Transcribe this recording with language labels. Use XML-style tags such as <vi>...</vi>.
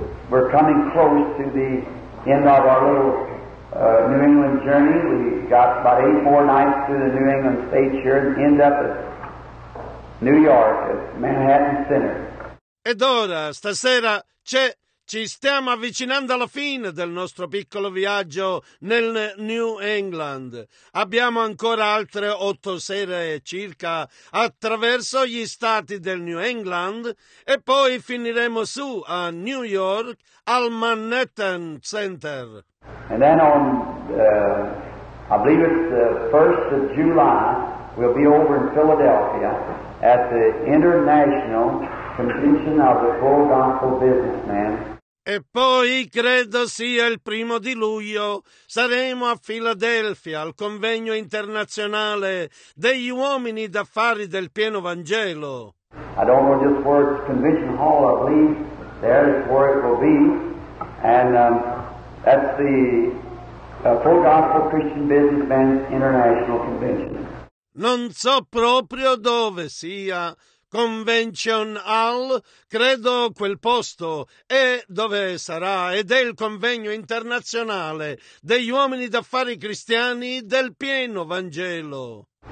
<en>We're coming close to the end of our little New England journey. We got about 8 more nights through the New England states here and end up at New York, at Manhattan Center.</en> <it>Ed ora, stasera, ci stiamo avvicinando alla fine del nostro piccolo viaggio nel New England. Abbiamo ancora altre 8 sere circa attraverso gli stati del New England e poi finiremo su a New York al Manhattan Center.</it> <en>And then on, I believe it's the 1st of July, we'll be over in Philadelphia at the International Convention of the Full Gospel Businessmen.</en> <it>E poi, credo sia il 1 di luglio, saremo a Filadelfia al convegno internazionale degli uomini d'affari del pieno Vangelo.</it> <en>I don't know just where it's convention hall, I believe there is where it will be. And that's the Full Gospel Christian Businessmen International Convention.</en> <it>Non so proprio dove sia. Convention Hall, credo quel posto è dove sarà, ed è il convegno internazionale degli uomini d'affari cristiani del pieno Vangelo.</it>